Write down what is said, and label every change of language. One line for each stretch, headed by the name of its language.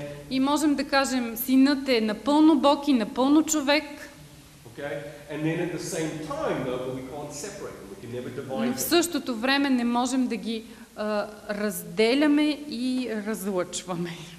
Bulgarian: И можем да кажем, Синът е напълно Бог и напълно човек.
English: Okay? And then at the same time though, we can't separate them. We can never divide them.
Bulgarian: Но в същото време не можем да ги разделяме и разлъчваме.